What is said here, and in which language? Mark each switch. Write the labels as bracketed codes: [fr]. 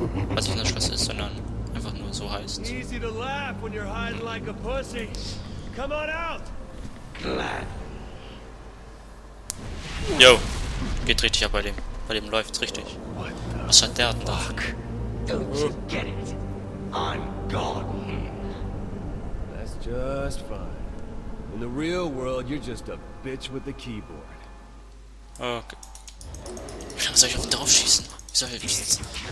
[de] Was nicht unser Schloss ist, sondern einfach nur so heißt. [en] Easy to laugh when you're hiding like a pussy. Come on out! Glad. [de] Yo, geht richtig ab bei dem. Bei dem läuft's richtig. Was hat der da? [en] Don't you get it? I'm Gordon. That's just fine. In the real world, you're just a bitch with the keyboard. Okay. [de] Wie soll ich auf ihn drauf schießen? Wie soll ich auf ihn schießen?